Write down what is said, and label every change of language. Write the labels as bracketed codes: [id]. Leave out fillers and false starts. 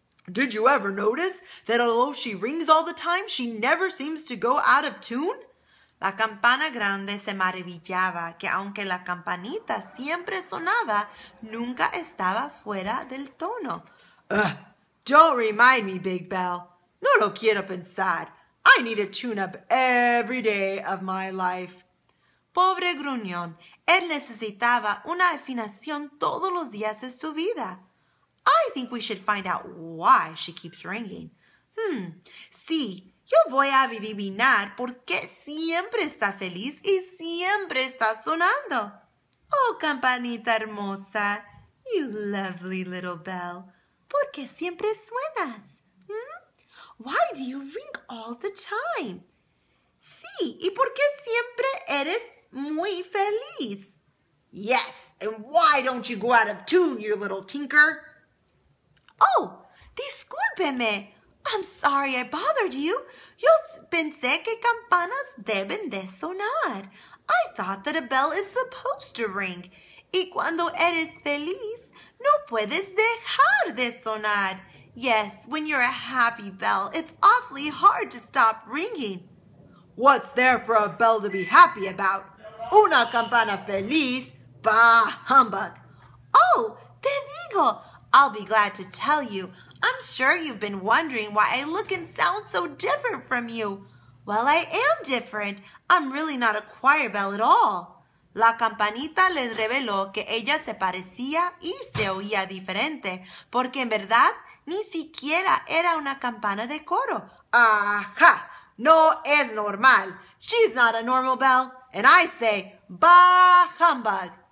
[en] Did you ever notice that although she rings all the time, she never seems to go out of tune? [es] La campana grande se maravillaba que aunque la campanita siempre sonaba, nunca estaba fuera del tono. [en] Ugh, don't remind me, Big Bell. [es] No lo quiero pensar. [en] I need a tune-up every day of my life. [es] Pobre gruñón, él necesitaba una afinación todos los días de su vida. [en] I think we should find out why she keeps ringing. [es] Sí, yo voy a adivinar por qué siempre está feliz y siempre está sonando. Oh, campanita hermosa, [en] you lovely little bell, [es] ¿por qué siempre suenas? [en] Why do you ring all the time? [es] Sí, ¿y por qué siempre eres muy feliz? [en] Yes, and why don't you go out of tune, you little tinker? [es] Oh, discúlpeme. [en] I'm sorry I bothered you. [es] Yo pensé que campanas deben de sonar. [en] I thought that a bell is supposed to ring. [es] Y cuando eres feliz, no puedes dejar de sonar. [en] Yes, when you're a happy bell, it's awfully hard to stop ringing. What's there for a bell to be happy about? [es] Una campana feliz? [en] Bah, humbug. [es] Oh, te digo, [en] I'll be glad to tell you. I'm sure you've been wondering why I look and sound so different from you. Well, I am different. I'm really not a choir bell at all. [es] La campanita les reveló que ella se parecía y se oía diferente, porque en verdad, ni siquiera era una campana de coro. Ajá, no es normal. [en] She's not a normal bell. And I say, bah, humbug.